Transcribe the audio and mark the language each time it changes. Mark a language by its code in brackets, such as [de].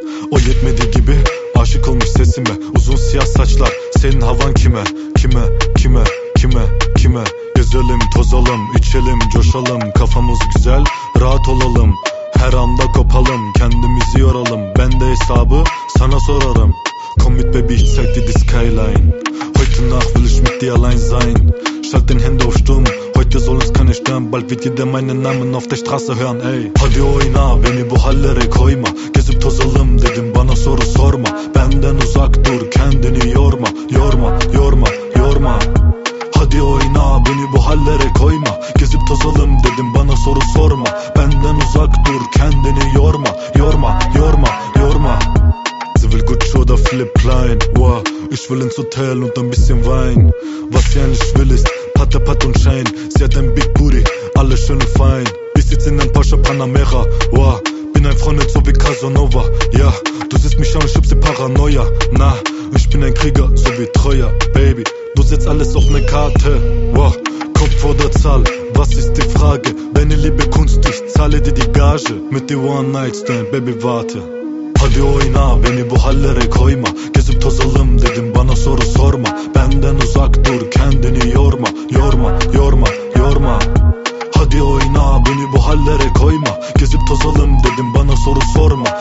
[tr] O yetmedi gibi aşık olmuş sesime. Uzun siyah saçlar, senin havan kime? Kime, kime, kime, kime? Gezelim, tozalım, içelim, coşalım. Kafamız güzel, rahat olalım. Her anda kopalım, kendimizi yoralım. Ben de hesabı sana sorarım. [de] Commit baby, ich zeig dir die skyline. Heute Nacht will ich mit dir allein sein. Schalt den Handy auf stumm, heute soll uns keine stören. Bald wird jeder meinen Namen auf der Straße hören, ey. [tr] Hadi oyna, beni bu hallere koyma. Gezip tozalım dedim, bana soru sorma. Benden uzak dur, kendini yorma. Yorma, yorma, yorma. Hadi oyna, beni bu hallere koyma. Gezip tozalım dedim, bana soru sorma. Benden uzak dur, kendini yorma. Yorma, yorma, yorma. [de] Sie will Gucci oder Philipp Klein. Wow. Ich will ins Hotel und ein bisschen Wein. Was sie eigentlich will ist Patte, Patte und Schein. Sie hat ein Big Booty, alles schön und fein. Ich sitz in einem Porsche Panamera. Wow. Bin ein Freund so wie Casanova. Ja, du siehst mich an, schub sie Paranoia. Na, ich bin ein Krieger, so wie Treuer. Baby, du setzt alles auf ne Karte. Wow. Kopf oder Zahl, was ist die Frage? Deine Liebe Kunst, ich zahle dir die Gage. Mit dir One Night Stand, Baby, warte. [tr] Hadi oyna, beni bu hallere koyma. Gezip tozalım dedim, bana soru sorma. Benden uzak dur, kendini yorma. Yorma, yorma, yorma. Hadi oyna, beni bu hallere koyma. Gezip tozalım dedim, bana soru sorma.